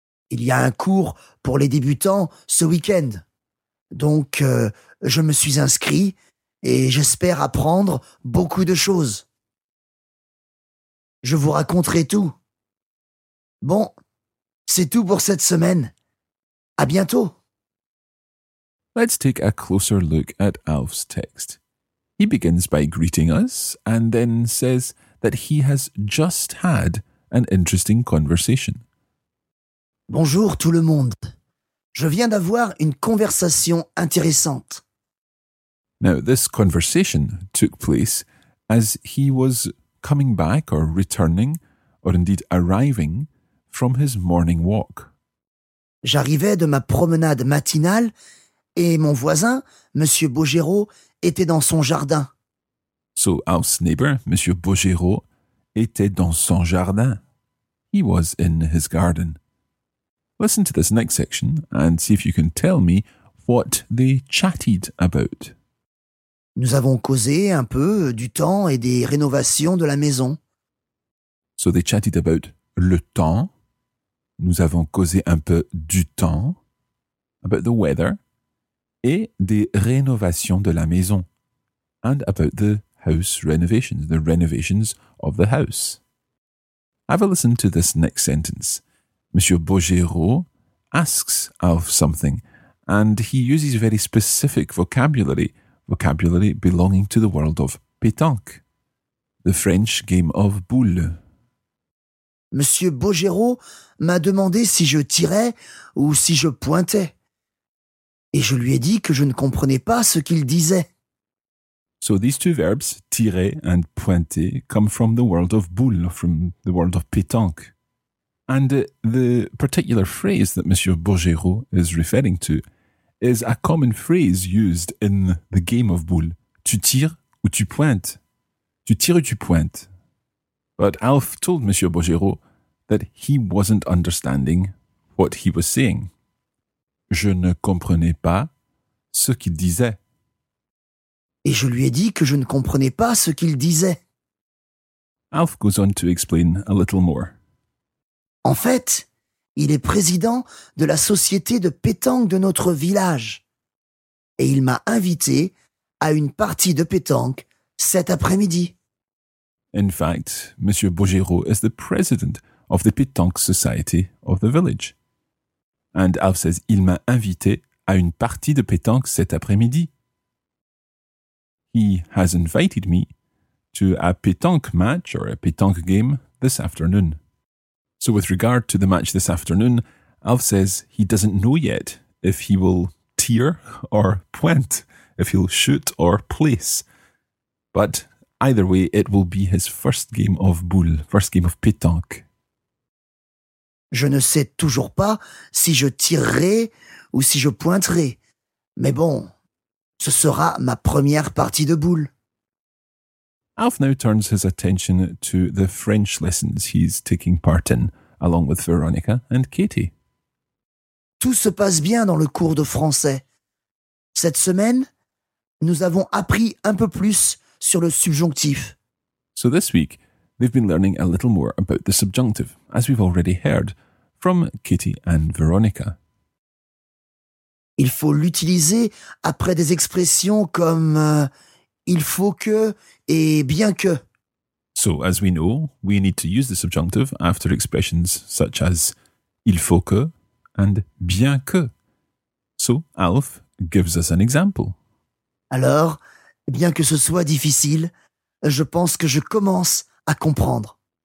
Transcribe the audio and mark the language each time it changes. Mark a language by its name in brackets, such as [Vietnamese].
[French] Il y a un cours pour les débutants ce week-end. Donc, je me suis inscrit et j'espère apprendre beaucoup de choses. Je vous raconterai tout. Bon, c'est tout pour cette semaine. À bientôt. [English] Let's take a closer look at Alf's text. He begins by greeting us and then says that he has just had an interesting conversation. [French] Bonjour tout le monde. Je viens d'avoir une conversation intéressante. [English] Now, this conversation took place as he was coming back or returning, or indeed arriving, from his morning walk. [French] J'arrivais de ma promenade matinale et mon voisin, Monsieur Bogerot, était dans son jardin. [English] So Alf's neighbor, [French] Monsieur Bogerot, était dans son jardin. [English] He was in his garden. Listen to this next section and see if you can tell me what they chatted about. [French] Nous avons causé un peu du temps et des rénovations de la maison. [English] So they chatted about [French] le temps, nous avons causé un peu du temps, [English] about the weather, [French] et des rénovations de la maison, [English] and about the house renovations, the renovations of the house. Have a listen to this next sentence. Monsieur Bogero asks Alf something, and he uses very specific vocabulary, vocabulary belonging to the world of pétanque, the French game of boules. [French] Monsieur Bogero m'a demandé si je tirais ou si je pointais. Et je lui ai dit que je ne comprenais pas ce qu'il disait. [English] So these two verbs, tirer and pointer, come from the world of boules, from the world of pétanque. And the particular phrase that Monsieur Bogero is referring to is a common phrase used in the game of boules. [French] Tu tires ou tu pointes? Tu tires ou tu pointes? [English] But Alf told Monsieur Bogero that he wasn't understanding what he was saying. [French] Je ne comprenais pas ce qu'il disait. Et je lui ai dit que je ne comprenais pas ce qu'il disait. [English] Alf goes on to explain a little more. [French] En fait, il est président de la société de pétanque de notre village. Et il m'a invité à une partie de pétanque cet après-midi. [English] In fact, Monsieur Bogero is the president of the pétanque society of the village. And Alf says, [French] il m'a invité à une partie de pétanque cet après-midi. [English] He has invited me to a pétanque match or a pétanque game this afternoon. So with regard to the match this afternoon, Alf says he doesn't know yet if he will tire or point, if he'll shoot or place. But either way, it will be his first game of boule, first game of pétanque. [French] Je ne sais toujours pas si je tirerai ou si je pointerai. Mais bon, ce sera ma première partie de boule. [English] Alf now turns his attention to the French lessons he's taking part in, along with Veronica and Katie. [French] Tout se passe bien dans le cours de français. Cette semaine, nous avons appris un peu plus sur le subjonctif. [English] So this week, they've been learning a little more about the subjunctive, as we've already heard, from Katie and Veronica. [French] Il faut l'utiliser après des expressions comme il faut que et bien que. [English] So, as we know, we need to use the subjunctive after expressions such as il faut que and bien que. So, Alf gives us an example. [French] Alors, bien que ce soit difficile, je pense que je commence à comprendre.